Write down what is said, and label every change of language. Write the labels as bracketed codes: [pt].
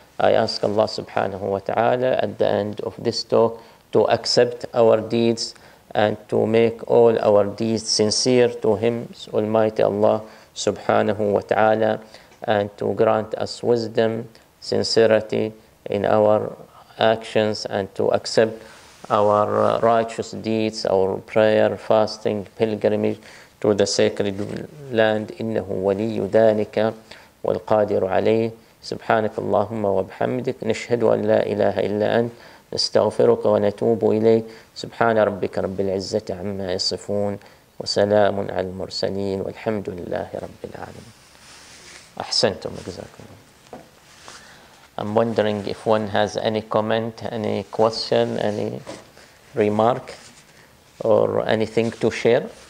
[en] I ask Allah subhanahu wa ta'ala at the end of this talk to accept our deeds and to make all our deeds sincere to Him, Almighty Allah subhanahu wa ta'ala, and to grant us wisdom, sincerity in our actions, and to accept our righteous deeds, our prayer, fasting, pilgrimage to the sacred land. [ar] إنه ولي ذلك والقادر عليه. سبحانك اللهم وبحمدك نشهد أن لا إله إلا أنت نستغفرك ونتوب إليك. سبحان ربك رب العزة عما يصفون وسلام على المرسلين والحمد لله رب العالمين. أحسنتم. جزاكم. [en] I'm wondering if one has any comment, any question, any remark, or anything to share.